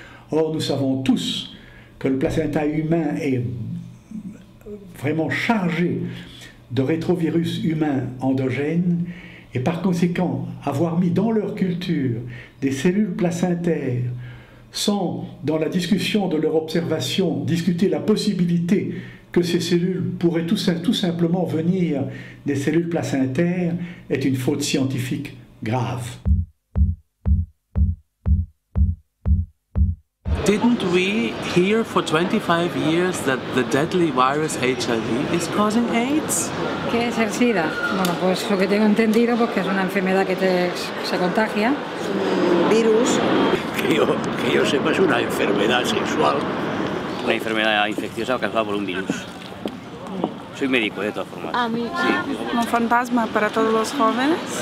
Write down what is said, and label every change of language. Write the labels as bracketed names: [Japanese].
[French] Or, nous savons tous que le placenta humain est vraiment chargé de rétrovirus humains endogènes, et par conséquent, avoir mis dans leur culture des cellules placentaires sans, dans la discussion de leur observation, discuter la possibilité que ces cellules pourraient tout simplement venir des cellules placentaires est une faute scientifique grave. [English] Didn't we hear for 25 years that the deadly virus HIV is causing AIDS? [Spanish] ¿Qué es el SIDA? Bueno, pues lo que tengo entendido pues que es una enfermedad que se contagia. Virus. Que yo sepa, es una enfermedad sexual. Una enfermedad infecciosa causada por un virus. Soy médico, de todas formas. A mí. Sí. Un fantasma para todos los jóvenes.